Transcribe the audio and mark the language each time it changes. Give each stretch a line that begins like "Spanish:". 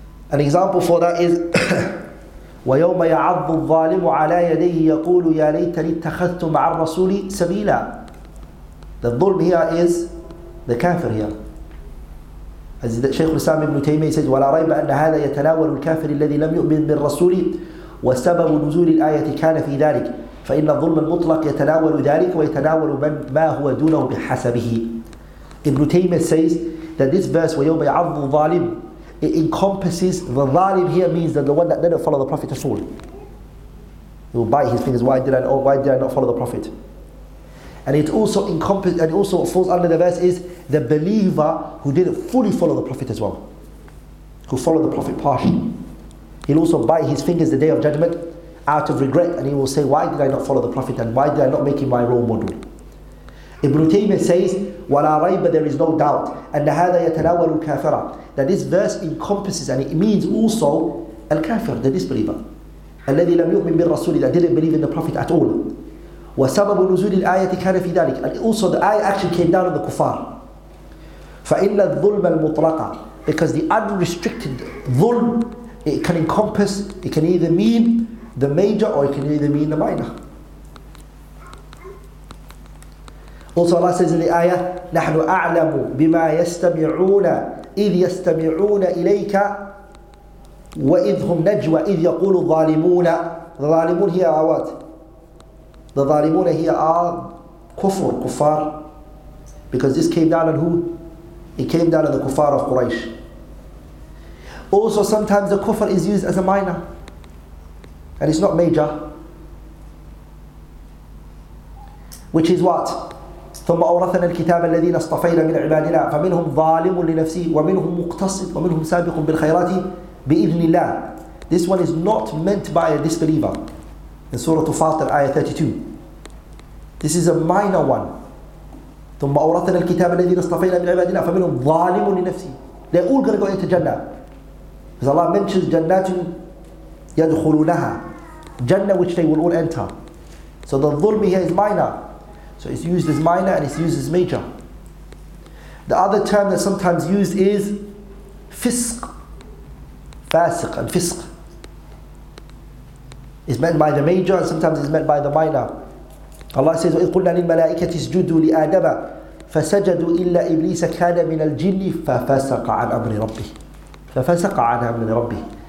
English: An example for that is
Arabic: وَيَوْمَ يَعَضُّ الظَّالِمُ عَلَى يَدَيْهِ يَقُولُ يَا لَيْتَنِي اتَّخَذْتُ مَعَ الرَّسُولِ سَبِيلًا.
English: The dhulm here is the kafir here. As the Shaykh Islam ibn Taymiyyah says,
Arabic: وَلَا رَيْبَ أَنَّ هَذَا يَتَنَاوَلُ الْكَافِرِ الَّذِي لَمْ يُؤْمِنْ بِالرَّسُولِ وَسَبَبُ نُزُولِ الْآيَةِ كَانَ فِي ذَلِكَ فَإِنَّ الظُّلْمَ الْمُطْلَقَ يَتَنَاوَلُ ذَلِكَ وَيَتَنَاوَلُ مَا هُوَ دُونَهُ بِحَسَبِهِ.
English: Ibn Taymiyyah says that this verse,
Arabic: وَيَوْمَ يَعَضُّ الظَّالِمُ,
English: it encompasses, the dhalim here means that the one that didn't follow the Prophet at all. He will bite his fingers, why did I not follow the Prophet? And it also encompasses, and also falls under the verse is the believer who didn't fully follow the Prophet as well. Who followed the Prophet partially. He'll also bite his fingers the day of judgment out of regret, and he will say, why did I not follow the Prophet and why did I not make him my role model? Ibn Taymiyyah says,
Arabic: وَلَا رَيْبَ,
English: there is no doubt,
Arabic: أَنَّ هَذَا يَتَنَوَّلُ كَافِرًا,
English: that this verse encompasses and it means also al-kafir, the disbeliever.
Arabic: الَّذِي لَمْ يُؤْمِن بِالرَّسُولِ,
English: that didn't believe in the Prophet at all.
Arabic: وَسَبَبُ نُزُولِ الْآيَةِ كَانَ فِي ذَلِكَ,
English: and also the ayah actually came down on the kufar.
Arabic: فَإِنَّ الظُّلْمَ الْمُطْلَقَ,
English: because the unrestricted dhulm, it can encompass, it can either mean the major or it can either mean the minor. Also Allah says in the ayah,
Arabic: نَحْنُ أَعْلَمُ بِمَا يَسْتَمِعُونَ إِذْ يَسْتَمِعُونَ إِلَيْكَ وَإِذْ هُمْ نَجْوَ إِذْ يَقُولُ الظَّالِمُونَ.
English: The ظَالِمُونَ here are what? The ظَالِمُونَ here are kufr, kufar. Because this came down on who? It came down on the kufar of Quraysh. Also sometimes the kufr is used as a minor. And it's not major. Which is what?
Arabic: ثم أورثنا الكتاب الذين اصطفينا من عبادنا فمنهم ظالم لنفسه ومنهم مقتصد ومنهم سابق بالخيرات بإذن الله.
English: This one is not meant by a disbeliever. In Surah Fatir, Ayah 32. This is a minor one.
Arabic: ثم أورثنا الكتاب الذين اصطفينا من عبادنا فمنهم ظالم لنفسه.
English: They're all going to go into Jannah. Because Allah mentions
Arabic: جنات يدخلونها.
English: Jannah which they will all enter. So the ظلم here is minor. So it's used as minor and it's used as major. The other term that's sometimes used is fisq. Fasiq and fisq. It's meant by the major and sometimes it's meant by the minor. Allah says,
Arabic: وَإِذْ قُلْنَا لِلْمَلَائِكَةِ اسْجُدُوا لِآدَمَ فَسَجَدُوا إِلَّا إِبْلِيسَ كَانَ مِنَ الْجِنِّ فَفَسَقَ عَنْ أَمْرِ رَبِّهِ فَفَسَقَ عَنْ أَمْرِ رَبِّهِ.